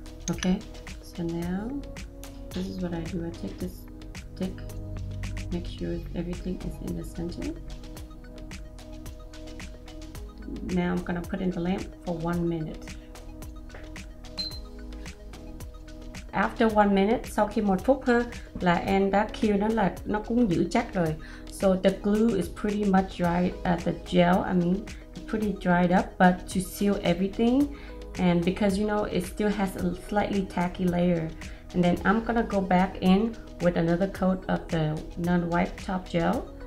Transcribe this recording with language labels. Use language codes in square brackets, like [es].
[en] Okay, so now this is what I do. I take this stick, make sure everything is in the center. Now I'm gonna put in the lamp for 1 minute. After 1 minute, [vi] sau khi 1 phút ha, là em đã cure nó là nó cũng giữ chắc rồi. [en] So the glue is pretty much dried, the gel, I mean, pretty dried up, but to seal everything, and because you know, it still has a slightly tacky layer. And then I'm gonna go back in with another coat of the non-wipe top gel.